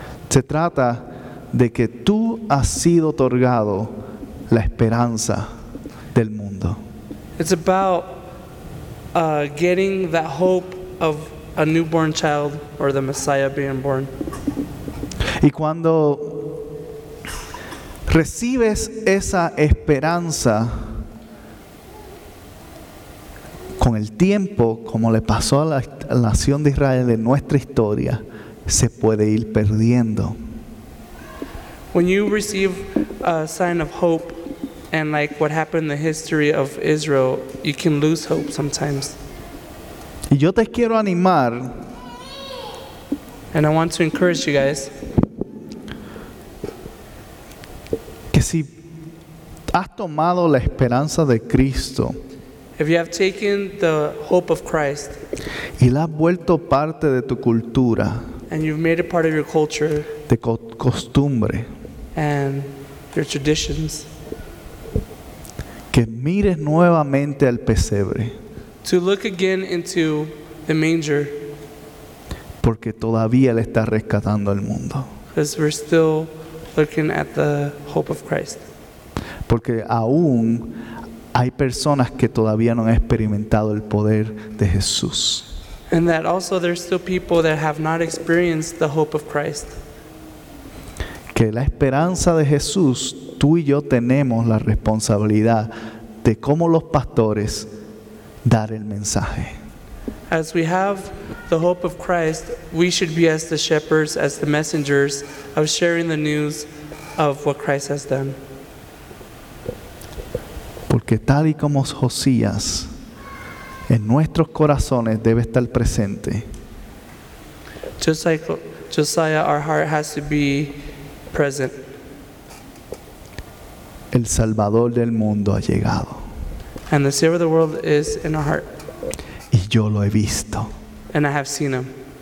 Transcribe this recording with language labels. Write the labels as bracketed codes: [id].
[es] Se trata de que tú has sido otorgado la esperanza del mundo. [en] It's about getting that hope of a newborn child or the Messiah being born. [es] Y cuando recibes esa esperanza con el tiempo, como le pasó a la nación de Israel en nuestra historia, se puede ir perdiendo. [en] When you receive a sign of hope, and like what happened in the history of Israel, you can lose hope sometimes. [es] Y yo te quiero animar. [en] And I want to encourage you guys. [es] Que si has tomado la esperanza de Cristo, [en] if you have taken the hope of Christ, [es] y la has vuelto parte de tu cultura, [en] and you've made it part of your culture, [es] de costumbre, [en] and your traditions, [es] que mires nuevamente al pesebre, [en] to look again into the manger. [es] Porque todavía le está rescatando el mundo. [en] Because we're still looking at the hope of Christ. [es] Porque aún hay personas que todavía no han experimentado el poder de Jesús. [en] And that also there's still people that have not experienced the hope of Christ. [es] Que la esperanza de Jesús, tú y yo tenemos la responsabilidad de cómo los pastores dar el mensaje. [en] As we have the hope of Christ, we should be as the shepherds, as the messengers of sharing the news of what Christ has done. [es] Porque tal y como Josías, en nuestros corazones debe estar presente. [en] Just like Josiah, our heart has to be present. [es] El Salvador del mundo ha llegado. [en] And the Savior of the world is in our heart. [es] Y yo lo he visto. [en] And I have seen him.